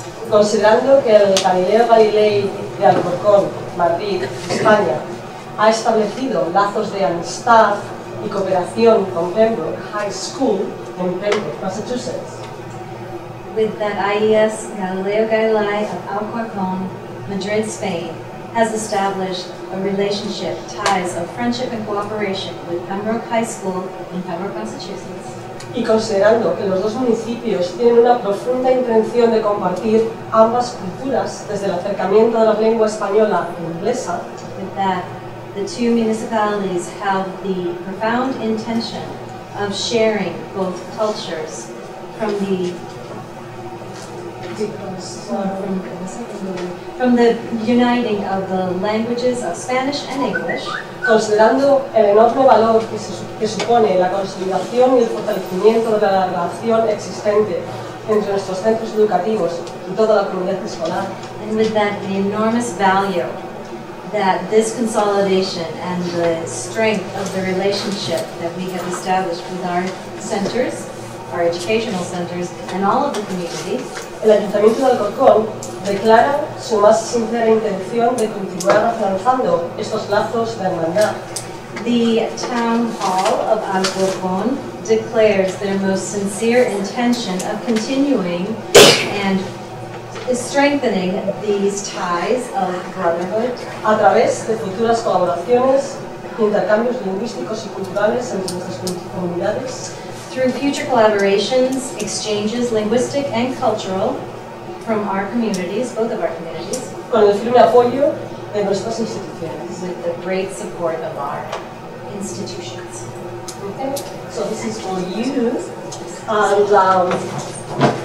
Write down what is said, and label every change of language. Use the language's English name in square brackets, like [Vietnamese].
[Spanish] Considerando que el Galileo Galilei de Alcorcón, Madrid, España, ha establecido lazos de amistad y cooperación con Pembroke High School in Pembroke, Massachusetts. [English] With that IES, Galileo Galilei of Alcorcón, Madrid, Spain, has established a relationship, ties of friendship and cooperation with Pembroke High School in Pembroke, Massachusetts. [Spanish] Y considerando que los dos municipios tienen una profunda intención de compartir ambas culturas desde el acercamiento de la lengua española e inglesa, [English] with that, the two municipalities have the profound intention of sharing both cultures from the uniting of the languages of Spanish and English. [Spanish] Considerando el enorme valor que supone la consolidación y el fortalecimiento de la relación existente entre nuestros centros educativos y toda la comunidad escolar. [English] And with that, the enormous value that this consolidation and the strength of the relationship that we have established with our centers, our educational centers, and all of the community. [Spanish] El Ayuntamiento de Alcorcón declara su más sincera intención de continuar afianzando estos lazos de hermandad. [English] The Town Hall of Alcorcón declares their most sincere intention of continuing and strengthening these ties of brotherhood [Spanish] a través de futuras colaboraciones, intercambios lingüísticos y culturales entre nuestras comunidades. [English] Through future collaborations, exchanges, linguistic and cultural, from our communities, both of our communities, [Spanish] con el firme apoyo de nuestras instituciones, [English] with the great support of our institutions. Okay, so this is for you, and